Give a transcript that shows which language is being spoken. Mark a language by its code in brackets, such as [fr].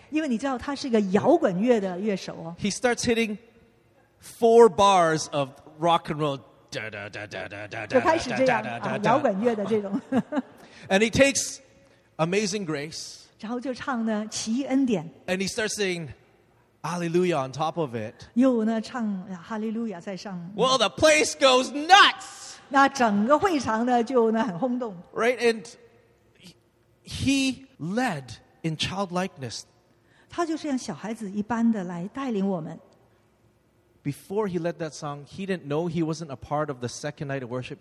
[zh] 因为你知道他是个摇滚乐的乐手哦。 [en] He starts hitting four bars of rock and roll. [zh] 就开始这样啊，摇滚乐的这种。 [en] And he takes Amazing Grace. [zh] 然后就唱呢，奇异恩典。 [en] And he starts singing Hallelujah on top of it. [zh] 又呢唱Hallelujah在上。 [en] Well, the place goes nuts. [zh] 那整个会场呢就很轰动。 [en] Right, and he led in childlikeness. [zh] 他就是像小孩子一般的来带领我们。 [en] Before he led that song, he didn't know he wasn't a part of the second night of worship.